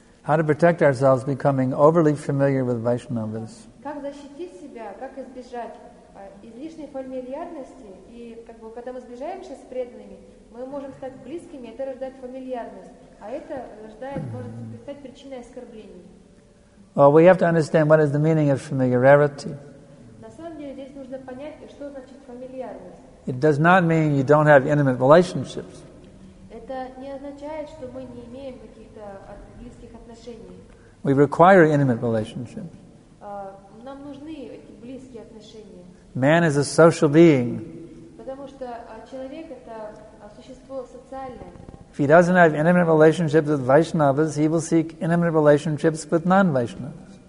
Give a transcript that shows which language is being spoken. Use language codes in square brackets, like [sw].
[en] How to protect ourselves becoming overly familiar with Vaishnavas? [ru] Как защитить себя? Как избежать излишней фамильярности? И как бы когда мы сближаемся с преданными, мы можем стать близкими. Это рождает фамильярность, а это рождает может стать причиной оскорблений. [en] Well, we have to understand what is the meaning of familiarity. [ru] На самом деле здесь нужно понять, что значит фамильярность. [en] It does not mean you don't have intimate relationships. [ru] Это не означает, что мы не имеем каких-то близких отношений. [en] We require intimate relationships. [ru] Нам нужны эти близкие отношения. [en] Man is a social being. [ru] Потому что человек это существо социальное. [en] If he doesn't have intimate relationships with Vaishnavas, he will seek intimate relationships with non-Vaishnavas.